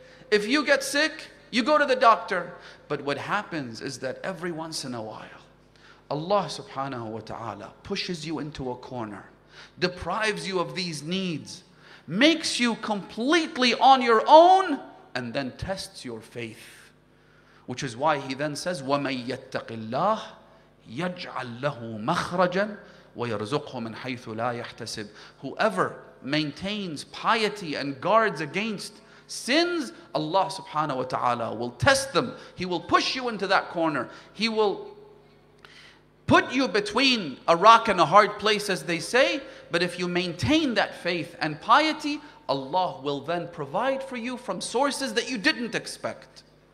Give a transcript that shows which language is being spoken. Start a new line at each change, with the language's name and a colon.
English: If you get sick, you go to the doctor. But what happens is that every once in a while, Allah subhanahu wa ta'ala pushes you into a corner, deprives you of these needs, makes you completely on your own, and then tests your faith. which is why he then says,
Arabic: وَمَنْ يَتَّقِ اللَّهِ يَجْعَلْ لَهُ مَخْرَجًا وَيَرْزُقْهُ مِنْ حَيْثُ لَا يَحْتَسِبْ.
English: Whoever maintains piety and guards against sins, Allah subhanahu wa ta'ala will test them. He will push you into that corner. He will put you between a rock and a hard place, as they say. But if you maintain that faith and piety, Allah will then provide for you from sources that you didn't expect.